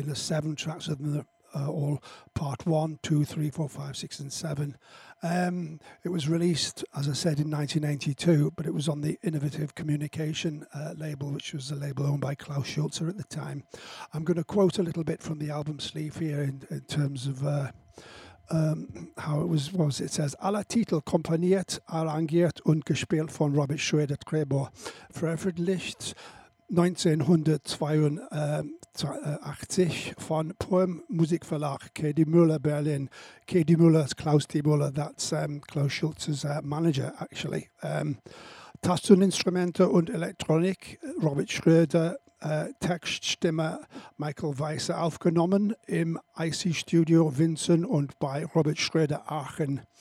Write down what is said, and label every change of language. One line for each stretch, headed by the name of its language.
English: There's seven tracks of them. All part 1, 2, 3, 4, 5, 6, and 7. It was released, as I said, in 1992, but it was on the Innovative Communication label, which was a label owned by Klaus Schulze at the time. I'm going to quote a little bit from the album sleeve here in terms of how it was. What was it? It says,
German: "Alle Titel komponiert, arrangiert und gespielt von Robert Schroeder Trebor, veröffentlicht 1982 von Poem Musikverlag, K.D. Müller, Berlin." K.D. Müller, Klaus D.
English: Müller, that's Klaus Schulze's manager, actually.
German: Tasteninstrumente und Elektronik, Robert Schroeder, Textstimme Michael Weiser, aufgenommen im IC Studio Vinson und bei Robert Schroeder Aachen.